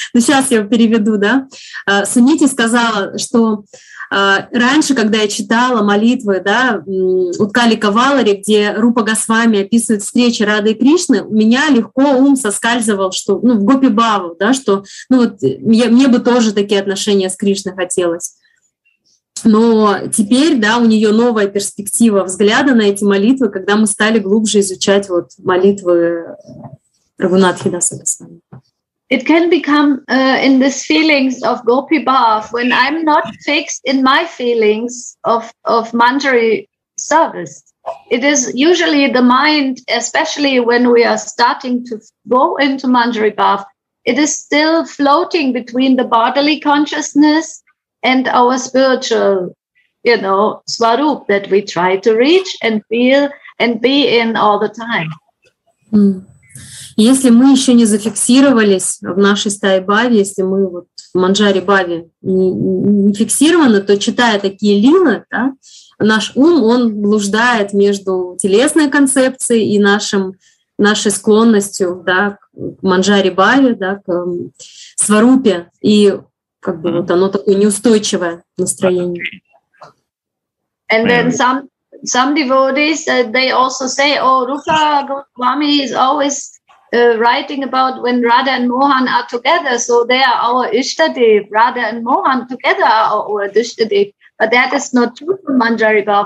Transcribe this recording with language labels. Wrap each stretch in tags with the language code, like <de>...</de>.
<ru>Но сейчас я переведу, да. Сунити сказала, что раньше, когда я читала молитвы, да, Уткали Кавалари, где Рупа Госвами описывает встречи Рады и Кришны, у меня легко ум соскальзывал, что, ну, в гопи баву, да, что, ну, вот, мне бы тоже такие отношения с Кришной хотелось. Но теперь, да, у нее новая перспектива взгляда на эти молитвы, когда мы стали глубже изучать вот молитвы Рагунатхи Даса Госвами.</ru> <en>It can become in this feelings of Gopi Bhav when I'm not fixed in my feelings of Manjari service. It is usually the mind, especially when we are starting to go into Manjari Bhav, it is still floating between the bodily consciousness and our spiritual, you know, Swarup that we try to reach and feel and be in all the time. Mm.</en> <ru>Если мы еще не зафиксировались в нашей стае бхаве, если мы вот в манджари бхаве не фиксированы, то читая такие лилы, да, наш ум, он блуждает между телесной концепцией и нашей склонностью, да, к манджари бхаве, да, к сварупе, и как бы вот оно такое неустойчивое настроение.</ru> <en>And then some devotees, they also say, oh, Rupa Goswami is always writing about when Radha and Mohan are together, so they are our Ishtadev. Radha and Mohan together are our Ishtadev. But that is not true for Manjari Bhav.</en>